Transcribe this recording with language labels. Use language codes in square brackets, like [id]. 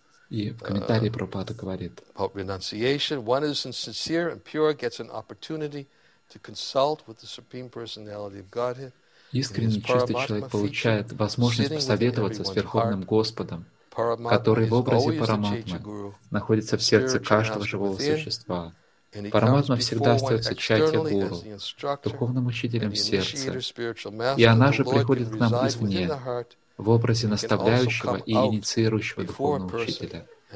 [ru] И в комментарии Прабхупада говорит. [en] About renunciation, one is sincere and pure gets an opportunity to consult with the supreme personality of Godhead. [ru] Искренний чистый человек получает возможность посоветоваться с Верховным Господом, который в образе Параматмы находится в сердце каждого живого существа. Параматма всегда остается чатья-гуру, духовным учителем сердца, и она же приходит к нам извне, в образе наставляющего и инициирующего духовного учителя.